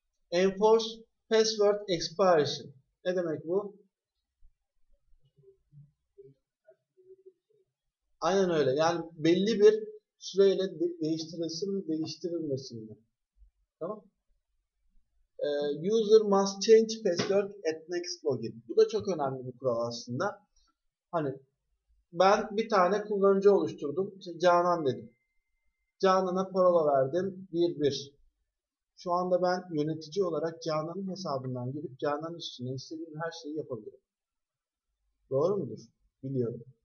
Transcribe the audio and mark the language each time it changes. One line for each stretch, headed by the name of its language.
English: Enforce password expiration.
Turkish: Ne demek bu? Aynen öyle. Yani belli bir süreyle değiştirilsin mi, değiştirilmesin mi? Tamam?
English: User must change password at next login.
Turkish: Bu da çok önemli bir kural aslında. Hani ben bir tane kullanıcı oluşturdum. İşte Canan dedim. Canan'a parola verdim. 1-1. Şu anda ben yönetici olarak Canan'ın hesabından girip Canan'ın üstüne istediğim her şeyi yapabilirim. Doğru mudur? Biliyorum.